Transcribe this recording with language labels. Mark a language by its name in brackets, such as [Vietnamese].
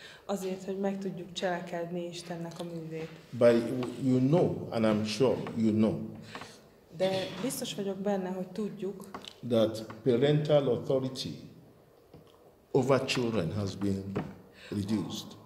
[Hungarian] Azért, hogy meg tudjuk cselekedni Istennek a művét. [English] But you know, and I'm sure you know. [Hungarian] De biztos vagyok benne, hogy tudjuk. [English] That parental authority over children has been reduced.